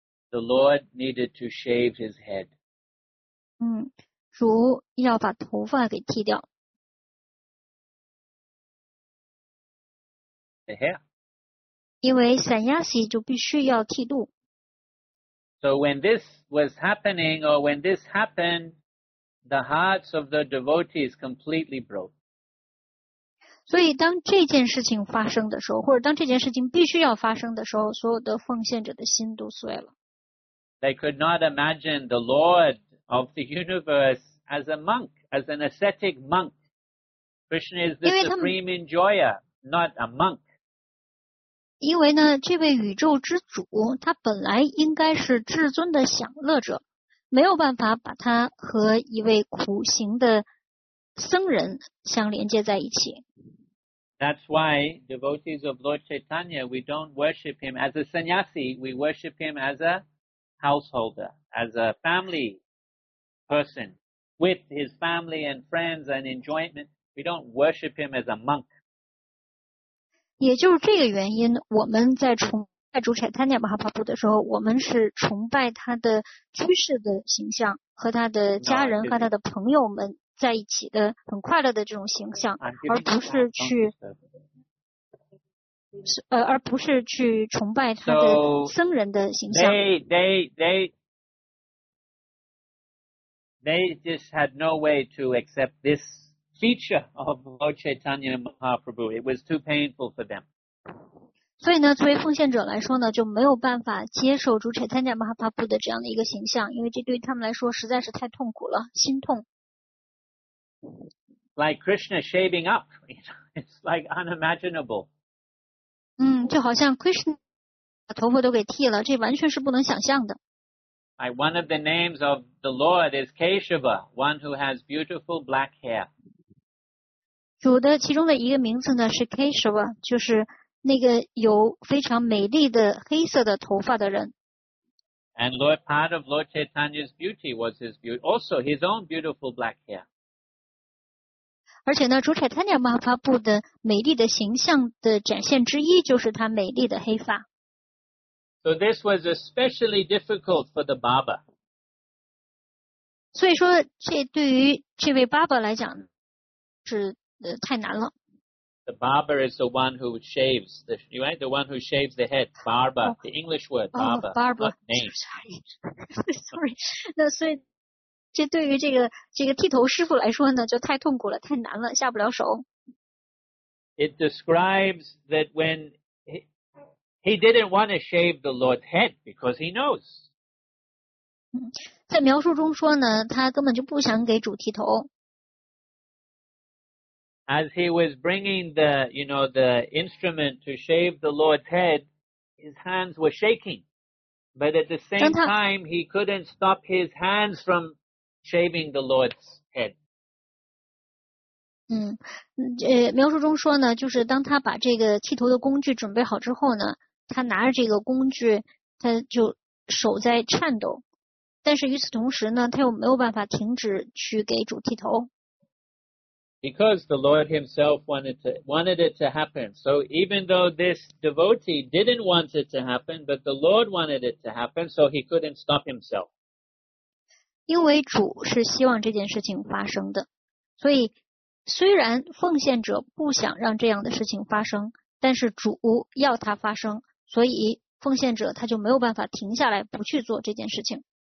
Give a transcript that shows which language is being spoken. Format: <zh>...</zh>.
<en>The Lord needed to shave his head.</en> <zh>主要把头发给剃掉。</zh> <en>The hair.</en> <zh>因为散压洗就必须要剃度。</zh> <en>So when this was happening, or when this happened, the hearts of the devotees completely broke.</en> <zh>所以当这件事情发生的时候，或者当这件事情必须要发生的时候，所有的奉献者的心都碎了。</zh> <en>They could not imagine the Lord of the universe as a monk, as an ascetic monk. Krishna is the supreme enjoyer, not a monk.</en> <zh>因为呢，这位宇宙之主，他本来应该是至尊的享乐者，没有办法把他和一位苦行的僧人相连接在一起。</zh> <en>That's why devotees of Lord Chaitanya, we don't worship him as a sannyasi, we worship him as a householder, as a family person, with his family and friends and enjoyment. We don't worship him as a monk.</en> <zh>也就是这个原因，我们在崇拜主柴坦尼亚马哈帕布的时候，我们是崇拜他的居士的形象，和他的家人和他的朋友们在一起的很快乐的这种形象，而不是去崇拜他的僧人的形象。</zh> <en>So, they just had no way to accept this feature of Lord Chaitanya Mahaprabhu. It was too painful for them.</en> <zh>所以呢，作为奉献者来说呢，就没有办法接受主柴坦尼亚马哈帕布的这样的一个形象，因为这对他们来说实在是太痛苦了，心痛。</zh> <en>Like Krishna shaving up, it's like unimaginable.</en> <zh>就好像 Krishna 把头发都给剃了，这完全是不能想象的。</zh> <en>One of the names of the Lord is Keshava, one who has beautiful black hair.</en> <zh>主的其中的一个名字呢是 Keshava, 就是那个有非常美丽的黑色的头发的人。</zh> <en>And Lord, part of Lord Chaitanya's beauty was his beauty, also his own beautiful black hair.</en> <zh>而且呢，主柴坦尼亚马哈帕布的美丽的形象的展现之一就是他美丽的黑发。</zh> <en>So this was especially difficult for the Baba.</en> <zh>所以说，这对于这位 Baba 来讲是太难了。</zh> <en>The Baba is the one who shaves the, right? The one who shaves the head. Baba, the English word Baba. Baba. Name. Sorry.</en> <zh>那所以。这对于这个剃头师傅来说呢，就太痛苦了，太难了，下不了手。</zh> <en>It describes that when he didn't want to shave the Lord's head because he knows.</en> <zh>在描述中说呢，他根本就不想给主剃头。</zh> <en>as he was bringing the, you know, the instrument to shave the Lord's head, his hands were shaking. But at the same time, he couldn't stop his hands from shaving the Lord's head.</en> <zh>描述中说呢，就是当他把这个剃头的工具准备好之后呢，他拿着这个工具，他就手在颤抖。但是与此同时呢，他又没有办法停止去给主剃头。</zh> <en>Because the Lord himself wanted it to happen. So even though this devotee didn't want it to happen, but the Lord wanted it to happen, so he couldn't stop himself.</en> <zh>因为主是希望这件事情发生的，所以虽然奉献者不想让这样的事情发生，但是主要它发生，所以奉献者他就没有办法停下来不去做这件事情。</zh>